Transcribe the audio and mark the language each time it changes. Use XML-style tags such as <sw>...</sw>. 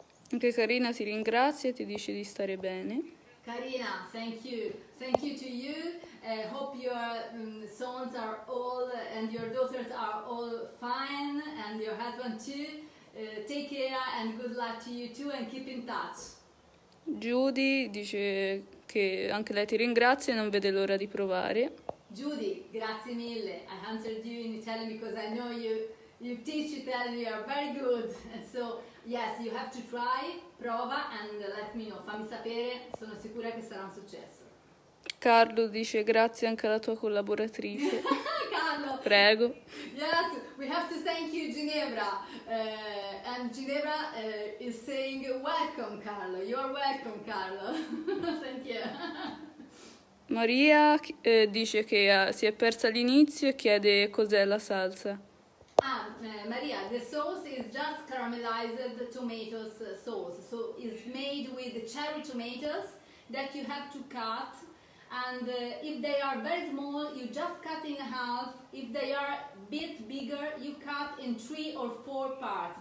<it>Anche Carina si ringrazia e ti dice di stare bene.</it> <en>Carina, thank you. Thank you to you. Hope your sons are all and your daughters are all fine and your husband too. Take care and good luck to you too and keep in touch.</en> <it>Judy dice che anche lei ti ringrazia e non vede l'ora di provare. Judy, grazie mille.</it> <en>I answered you in Italian because I know you teach Italian, you are very good. So yes, you have to try, prova and let me know,</en> <it>fammi sapere, sono sicura che sarà un successo. Carlo dice grazie anche alla tua collaboratrice. Carlo! Prego.</it> <en>Yes, we have to thank you Ginevra. And Ginevra is saying welcome Carlo, you are welcome Carlo. Thank you.</en> <it>Maria dice che si è persa all'inizio e chiede cos'è la salsa.</it> <en>Maria, the sauce is just caramelized tomatoes sauce. So it's made with cherry tomatoes that you have to cut. And if they are very small, you just cut in half. If they are a bit bigger, you cut in three or four parts.</en>